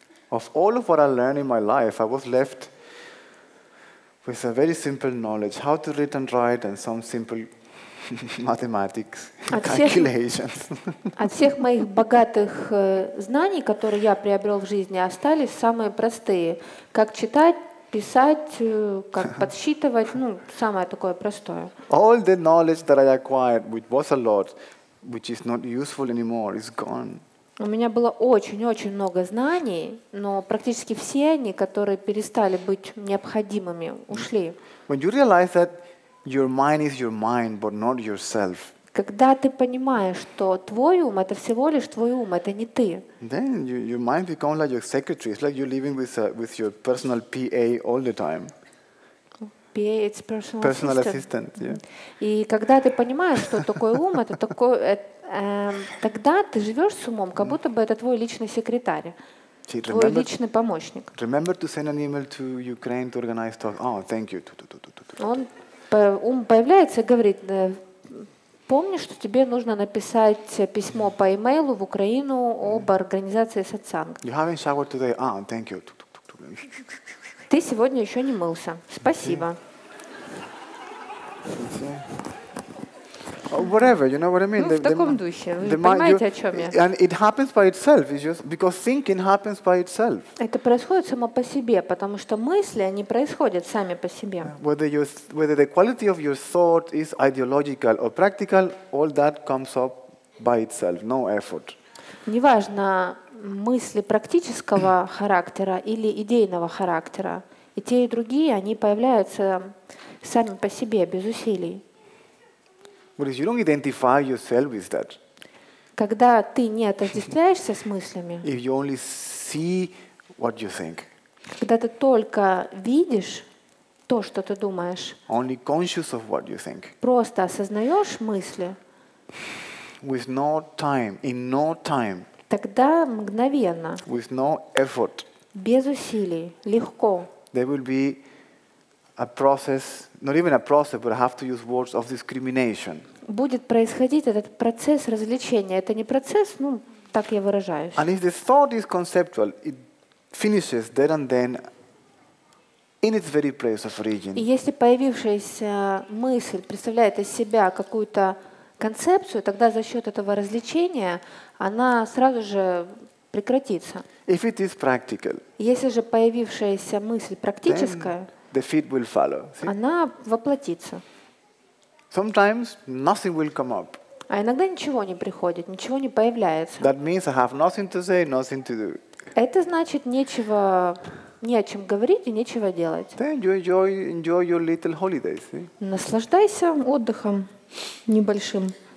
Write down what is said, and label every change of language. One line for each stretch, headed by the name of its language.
English: Of all of what I learned in my life, I was left with a very simple knowledge: how to read and write, and some simple mathematics calculations.
Russian: От всех моих богатых знаний, которые я приобрел в жизни, остались самые простые: как читать, писать, как подсчитывать, самое такое простое.
English: All the knowledge that I acquired, which was a lot, which is not useful anymore, is gone.
Russian: У меня было очень-очень много знаний, но практически все они, которые перестали быть необходимыми, ушли.
English: When you realize that your mind is your mind, but not yourself.
Russian: Когда ты понимаешь, что твой ум — это всего лишь твой ум, это не ты.
English: Then your mind becomes like your secretary. It's like you're living with your personal PA all the time. PA, it's personal, personal assistant. Yeah.
Russian: И когда ты понимаешь, что такой ум — это такой, тогда ты живешь с умом, как будто бы это твой личный секретарь, твой личный помощник.
English: Remember to send an email to Ukraine to organize talk. Oh, thank you.
Russian: Он ум появляется и говорит: помни, что тебе нужно написать письмо по имейлу в Украину об организации сатсанг.
English: You haven't showered today. Oh, thank you.
Russian: Ты сегодня еще не мылся. Спасибо.
English: Whatever, you know what I mean?
Russian: В таком духе. Вы понимаете, о чем я?
English: And it happens by itself. It's just because thinking happens by itself.
Russian: Это происходит само по себе, потому что мысли, они происходят сами по себе.
English: Whether the quality of your thought is ideological or practical, all that comes up by itself, no effort.
Russian: Неважно, мысли практического характера или идейного характера, И те, и другие, они появляются сами по себе, без усилий.
English: But if you don't identify yourself with that,
Russian: когда ты не отождествляешься с мыслями,
English: if you only see what you think,
Russian: когда ты только видишь то, что ты думаешь,
English: only conscious of what you think,
Russian: просто осознаешь мысли,
English: with no time, in no time,
Russian: тогда мгновенно,
English: with no effort,
Russian: без усилий, легко,
English: there will be a process, not even a process, but I have to use words of discrimination.
Russian: Будет происходить этот процесс развлечения. Это не процесс, ну, так я выражаюсь.
English: And if the thought is conceptual, it finishes there and then in its very place of origin.
Russian: И если появившаяся мысль представляет из себя какую-то концепцию, тогда за счет этого развлечения она сразу же прекратится.
English: If it is practical,
Russian: если же появившаяся мысль практическая,
English: the fit will follow. See?
Russian: Она воплотится.
English: Sometimes nothing will come up.
Russian: А иногда ничего не приходит, ничего не появляется.
English: That means I have nothing to say, nothing to do.
Russian: Это значит нечего, не о чем говорить и нечего делать.
English: Then you enjoy your little holiday, see?
Russian: Наслаждайся отдыхом небольшим.